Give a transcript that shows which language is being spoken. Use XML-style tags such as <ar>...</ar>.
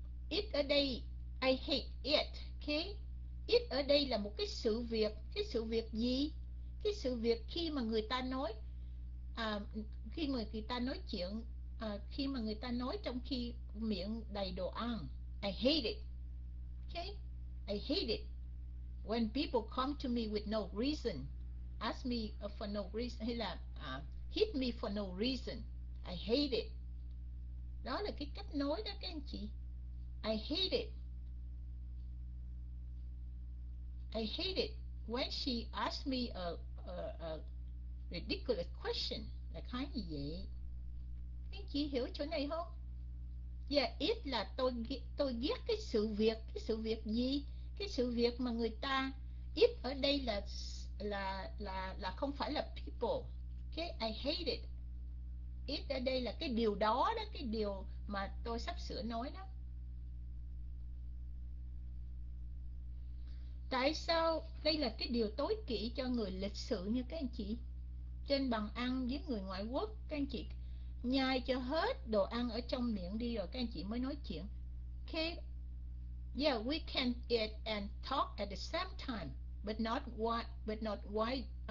<vi>It ở đây, I hate it. Okay. It ở đây là một cái sự việc. Cái sự việc gì? Cái sự việc khi mà người ta nói, khi mà người ta nói chuyện, khi mà người ta nói trong khi miệng đầy đồ ăn.</vi> <en>I hate it. Okay? I hate it. When people come to me with no reason, ask me for no reason, hay là hit me for no reason. I hate it.</en> <vi>Đó là cái cách nói đó các anh chị.</vi> <en>I hate it. I hate it when she asked me a ridiculous question.</en> <vi>Là khá gì vậy? Các anh chị hiểu chỗ này không? Yeah, it là tôi ghét cái sự việc. Cái sự việc gì? Cái sự việc mà người ta, it ở đây là không phải là people. Okay, I hate it. It ở đây là cái điều đó đó, cái điều mà tôi sắp sửa nói đó. Tại sao đây là cái điều tối kỵ cho người lịch sự như các anh chị? Trên bàn ăn với người ngoại quốc, các anh chị nhai cho hết đồ ăn ở trong miệng đi rồi các anh chị mới nói chuyện.</vi> <en>Okay. Yeah, we can eat and talk at the same time, but not what, but not why.</en>